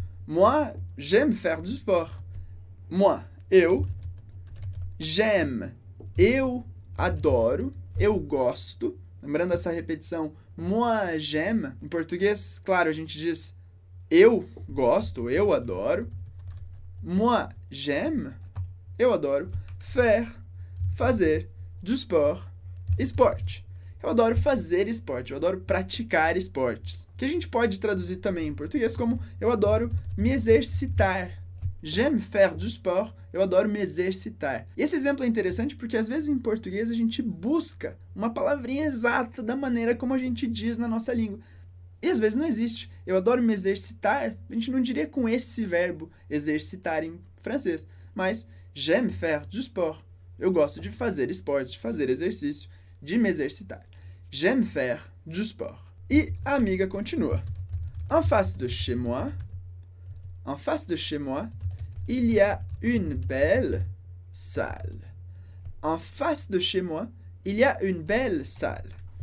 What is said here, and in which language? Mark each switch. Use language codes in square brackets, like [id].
[fr] Moi, j'aime faire du sport. [pt] Moi, eu, j'aime, eu adoro, eu gosto. Lembrando essa repetição, [fr] moi, j'aime. [pt] Em português, claro, a gente diz eu gosto, eu adoro. [fr] Moi, j'aime, [pt] eu adoro, faire, fazer, du sport, esporte. Eu adoro fazer esporte, eu adoro praticar esportes. Que a gente pode traduzir também em português como eu adoro me exercitar. [fr] J'aime faire du sport, [pt] eu adoro me exercitar. E esse exemplo é interessante porque às vezes em português a gente busca uma palavrinha exata da maneira como a gente diz na nossa língua. E às vezes não existe. Eu adoro me exercitar, a gente não diria com esse verbo exercitar em francês. [fr] Mas j'aime faire du sport. [pt] Eu gosto de fazer esporte, de fazer exercício, de me exercitar. [fr] J'aime faire du sport. [pt] E a amiga continua. [fr] En face de chez moi, il y a une belle salle. En face de chez moi, il y a une belle salle.